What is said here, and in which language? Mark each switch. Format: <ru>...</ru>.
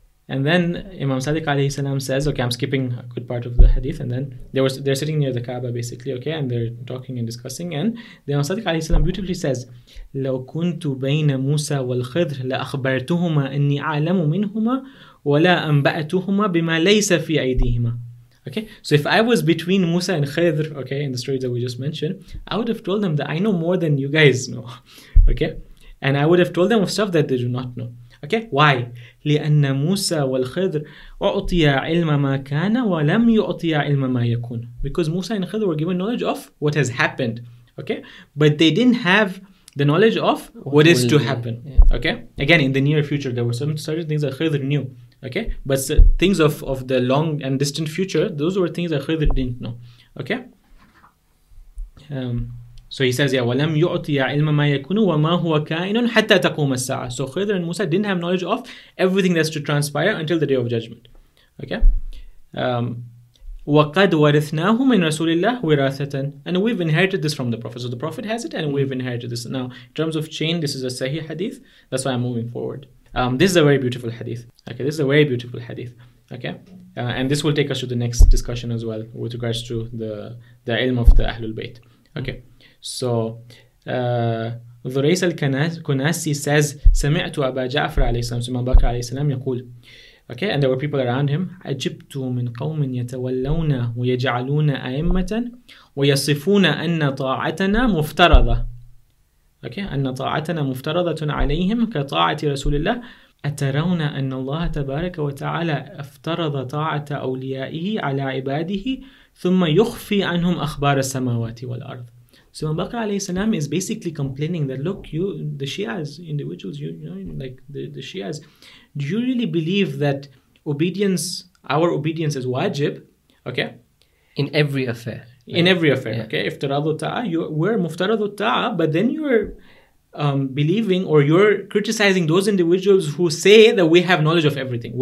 <en>And then Imam Sadiq alayhi salam says, okay, I'm skipping a good part of the hadith, and then they're sitting near the Kaaba basically, okay, and they're talking and discussing, and the Imam Sadiq alayhi salam beautifully says,</en> <ar>لَوْ كُنْتُ بَيْنَ مُوسَى وَالْخِضْرِ لَأَخْبَرْتُهُمَا إِنِّي أَعْلَمُ مِنْهُمَا وَلَا أَنْبَأْتُهُمَا بِمَا لَيْسَ فِي أَيْدِيهِمَا.</ar> <en>Okay, so if I was between Musa and Khidr, okay, in the story that we just mentioned, I would have told them that I know more than you guys know, okay, and I would have told them of stuff that they do not know. Okay, why?</en> <ar>لأن موسى والخضر أعطي علم ما كان ولم يعطي علم ما يكون.</ar> <en>Because Musa and Khidr were given knowledge of what has happened, okay, but they didn't have the knowledge of what is to happen. Okay, again, in the near future, there were some certain things that Khidr knew. Okay, but things of the long and distant future, those were things that Khidr didn't know. Okay. So he says,</en> <ar>وَلَمْ يُعْطِيَ عِلْمَ مَا يَكُنُ وَمَا هُوَ كَائِنٌ حَتَّى تَقُومَ السَّاعَةُ.</ar> <en>So Khidr and Musa didn't have knowledge of everything that's to transpire until the Day of Judgment. Okay.</en> <ar>وَقَدْ وَرِثْنَاهُ مِنْ رَسُولِ اللَّهِ وِرَاثَةً.</ar> <en>And we've inherited this from the Prophet. So the Prophet has it and we've inherited this. Now, in terms of chain, this is a Sahih hadith. That's why I'm moving forward. This is a very beautiful hadith. Okay, this is a very beautiful hadith. Okay, and this will take us to the next discussion as well with regards to the ilm of the Ahlul Bayt. Okay, so Dhurais al-Kunasi says,</en> <ar>سَمِعْتُ أَبَا جَعْفَرَ عَلَيْهِ السَّلَامُ سُمَا بَكَ عَلَيْهِ السَّلَامُ يَقُولُ.</ar> <en>Okay, and there were people around him.</en> <ar>عَجِبْتُ مِنْ قَوْمٍ يَتَوَلَّوْنَ وَيَجْعَلُونَ أَئِمَّةً وَيَصِفُونَ أَنَّ طَاعَتَنَا مُفْتَرَضَةً.</ar> <en>Okay,</en> <ar>أن طاعتنا مفترضة عليهم كطاعة رسول الله. أترون أن الله تبارك وتعالى افترض طاعة أوليائه على عباده ثم يخفي عنهم أخبار السماوات والأرض.</ar> <en>So Imam Baqir alayhi salam is basically complaining that look, you, the Shias, individuals, you know, like the Shias, do you really believe that obedience, our obedience is wajib? Okay, in every affair. In every affair, yeah. Okay,</en> <ar>iftaradu ta'a,</ar> <en>we're</en> <ar>muftaradu ta'a,</ar> <en>but then you're believing or you're criticizing those individuals who say that we have knowledge of everything.</en>